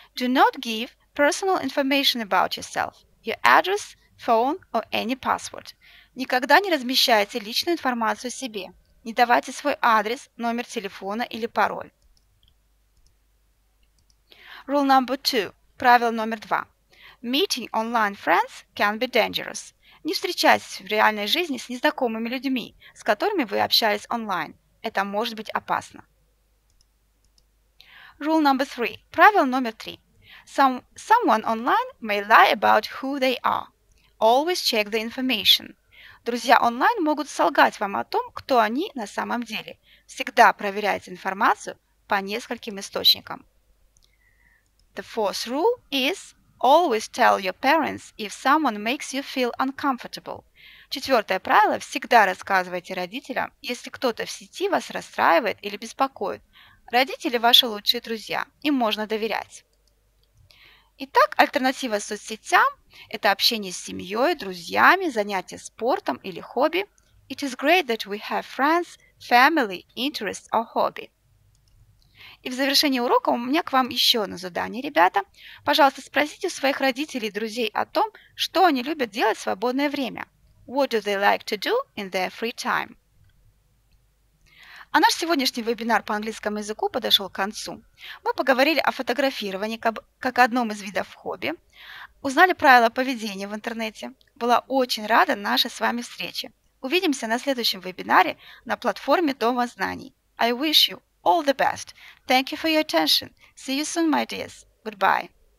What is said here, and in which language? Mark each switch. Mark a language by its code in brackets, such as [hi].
[en] Do not give personal information about yourself, your address, phone or any password. [ru] Никогда не размещайте личную информацию о себе. Не давайте свой адрес, номер телефона или пароль. [en] Rule number two, [ru] правило номер два. [en] Meeting online friends can be dangerous. [ru] Не встречайтесь в реальной жизни с незнакомыми людьми, с которыми вы общались онлайн. Это может быть опасно. [en] Rule number three. [ru] Правило номер три. [en] Someone online may lie about who they are. Always check the information. [ru] Друзья онлайн могут солгать вам о том, кто они на самом деле. Всегда проверяйте информацию по нескольким источникам. [en] The fourth rule is always tell your parents if someone makes you feel uncomfortable. [ru] Четвертое правило – всегда рассказывайте родителям, если кто-то в сети вас расстраивает или беспокоит. Родители – ваши лучшие друзья, им можно доверять. Итак, альтернатива соцсетям – это общение с семьей, друзьями, занятия спортом или хобби. [en] It is great that we have friends, family, interests or hobby. [ru] И в завершении урока у меня к вам еще одно задание, ребята. Пожалуйста, спросите у своих родителей и друзей о том, что они любят делать в свободное время. [en] What do they like to do in their free time? [ru] А наш сегодняшний вебинар по английскому языку подошел к концу. Мы поговорили о фотографировании как одном из видов хобби, узнали правила поведения в интернете. Была очень рада нашей с вами встрече. Увидимся на следующем вебинаре на платформе Дома знаний. [en] I wish you all the best. Thank you for your attention. See you soon, my dears. Goodbye.